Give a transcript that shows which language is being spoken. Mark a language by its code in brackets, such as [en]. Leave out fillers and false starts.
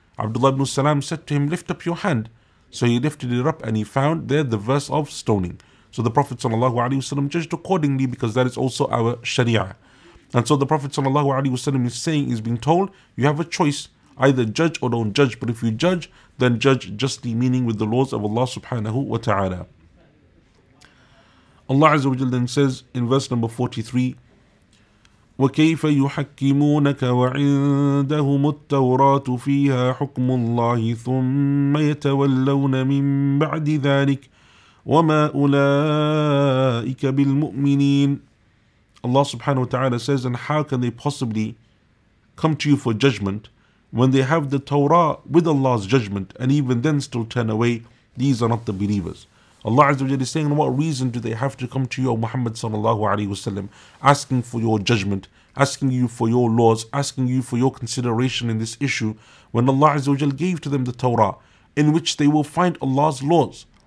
[en] Abdullah ibn Salam said to him, lift up your hand. So he lifted it up and he found there the verse of stoning. So the Prophet sallallahu alaihi wasallam judged accordingly, because that is also our sharia. And so the Prophet sallallahu alaihi wasallam is saying, is being told, you have a choice, either judge or don't judge. But if you judge, then judge justly, meaning with the laws of Allah subhanahu wa ta'ala. Allah azza wa jalla then says in verse number 43, [ar] وَكَيْفَ يُحَكِّمُونَكَ وَعِنْدَهُمُ التَّوْرَاتُ فِيهَا حُكْمُ اللَّهِ ثُمَّ يَتَوَلَّوْنَ مِنْ بَعْدِ ذَلِكَ وَمَا أُولَٰئِكَ بِالْمُؤْمِنِينَ. [en] Allah subhanahu wa ta'ala says, and how can they possibly come to you for judgment when they have the Torah with Allah's judgment and even then still turn away? These are not the believers. Allah azza wa jalla is saying, what reason do they have to come to you, O Muhammad sallallahu alayhi wa sallam, asking for your judgment, asking you for your laws, asking you for your consideration in this issue, when Allah azza wa jalla gave to them the Torah in which they will find Allah's laws?